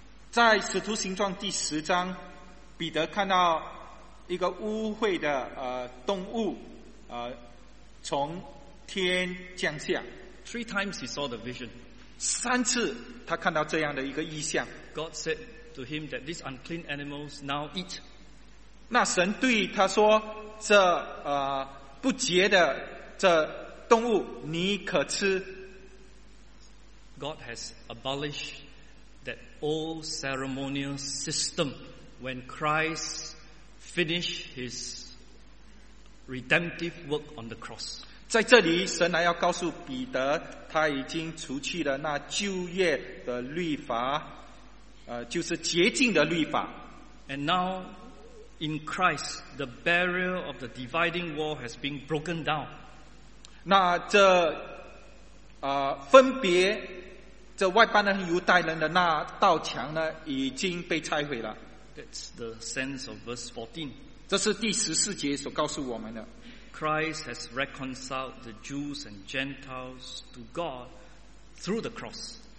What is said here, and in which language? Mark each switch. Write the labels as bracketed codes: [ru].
[zh] 在使徒行传第十章, 彼得看到一个污秽的, 动物, 从天降下。 [en] Three times he saw the vision. [zh] 三次他看到这样的一个异象。 [en] God said to him that these unclean animals now eat. [zh] 那神对他说, 这, 不洁的这动物, 你可吃。 [en] God has abolished that old ceremonial system when Christ finished his redemptive work on the cross. [zh] 在这里神来要告诉彼得, 他已经除去了那旧约的律法, 就是洁净的律法。 [en] And now in Christ the barrier of the dividing wall has been broken down. [zh] 那这 分别 这外邦人和犹太人的那道墙呢, 已经被拆毁了。 [en] That's the sense of verse 14. [zh] 这是第14节所告诉我们的。 [en] Christ has reconciled the Jews and Gentiles to God through the cross.